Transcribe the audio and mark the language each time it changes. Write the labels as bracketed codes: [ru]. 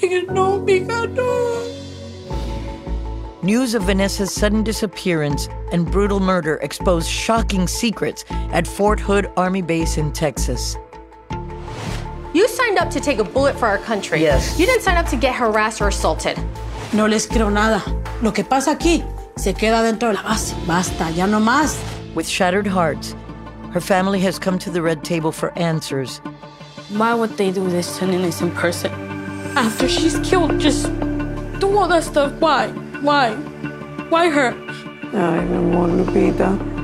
[es] No, hija, no. [en] News of Vanessa's sudden disappearance and brutal murder exposed shocking secrets at Fort Hood Army Base in Texas. You signed up to take a bullet for our country. Yes. You didn't sign up to get harassed or assaulted. [es] No les creo nada. Lo que pasa aquí se queda dentro de la base. Basta, ya no más. [en] With shattered hearts, her family has come to the Red Table for answers. Why would they do this to an innocent person? After she's killed, just do all that stuff. Why? Why? Why her? I don't want to be there.